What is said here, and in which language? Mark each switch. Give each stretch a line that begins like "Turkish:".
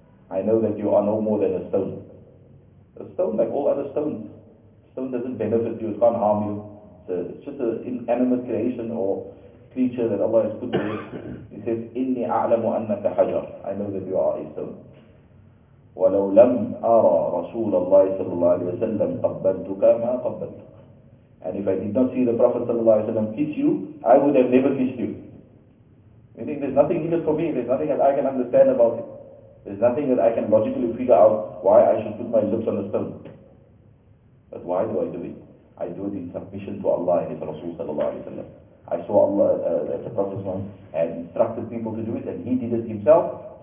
English: I know that you are no more than a stone. A stone like all other stones. Stone doesn't benefit you, it can't harm you. It's just an inanimate creation or creature that Allah has put there. He says,
Arabic: Inni a'lamu annaka hajar.
English: I know that you are a stone.
Arabic: ولو لم أرى رسول الله صلى الله عليه وسلم قبلتك ما قبلتك.
English: And if I did not see the Prophet صلى الله عليه وسلم kiss you, I would have never kissed you. Meaning there's nothing in it for me, there's nothing that I can understand about it. There's nothing that I can logically figure out why I should put my lips on a stone. But why do I do it? I do it in submission to Allah and His Rasul صلى الله عليه وسلم. I saw Allah, the Prophet had instructed people to do it and he did it himself.